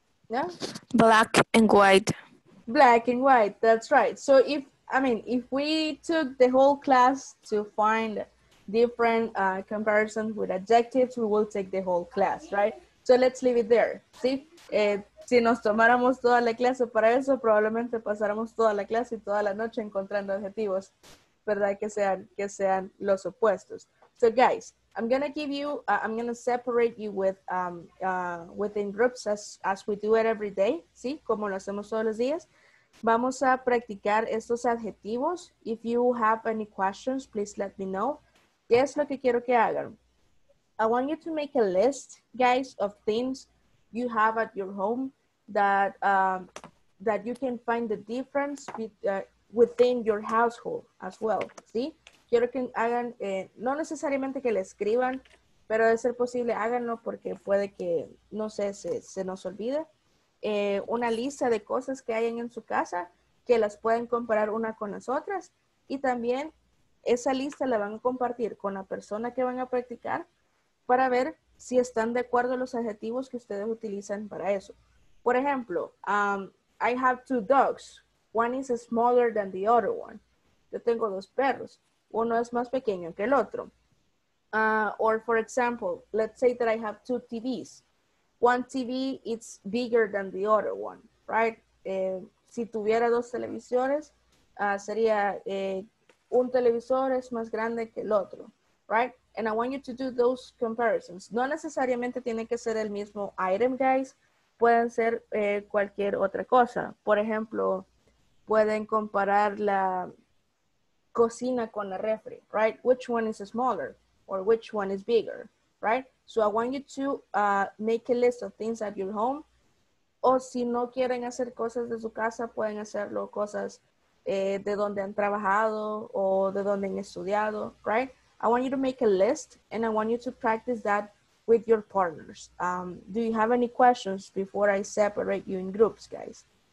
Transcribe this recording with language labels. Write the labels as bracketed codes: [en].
[en] Yeah. Black and white. Black and white. That's right. So if, I mean, if we took the whole class to find different comparisons with adjectives, we will take the whole class, right? So let's leave it there. [es] ¿Sí? Si nos tomáramos toda la clase para eso, probablemente pasáramos toda la clase y toda la noche encontrando adjetivos, ¿verdad? Que sean los opuestos. [en] So guys, I'm going to give you, I'm going to separate you with within groups as we do it every day, [es] ¿sí? Como lo hacemos todos los días. Vamos a practicar estos adjetivos. [en] If you have any questions, please let me know. [es] ¿Qué es lo que quiero que hagan? [en] I want you to make a list, guys, of things you have at your home that that you can find the difference within your household as well, [es] ¿sí? Quiero que hagan, no necesariamente que le escriban, pero de ser posible háganlo porque puede que, no sé, se nos olvide. Una lista de cosas que hayan en su casa que las pueden comparar una con las otras y también esa lista la van a compartir con la persona que van a practicar para ver si están de acuerdo a los adjetivos que ustedes utilizan para eso. Por ejemplo, [en] I have two dogs. One is smaller than the other one. [es] Yo tengo dos perros. Uno es más pequeño que el otro. [en] Or for example, let's say that I have two TVs. One TV is bigger than the other one, right? [es] Si tuviera dos televisores, sería un televisor es más grande que el otro, [en] right? And I want you to do those comparisons. [es] No necesariamente tiene que ser el mismo item, guys. Pueden ser cualquier otra cosa. Por ejemplo, pueden comparar la cocina con la refri, [en] right? Which one is smaller or which one is bigger, right? So I want you to make a list of things at your home. [es] O si no quieren hacer cosas de su casa, pueden hacerlo cosas de donde han trabajado o de donde han estudiado, [en] right? I want you to make a list and I want you to practice that with your partners. Do you have any questions before I separate you in groups, guys?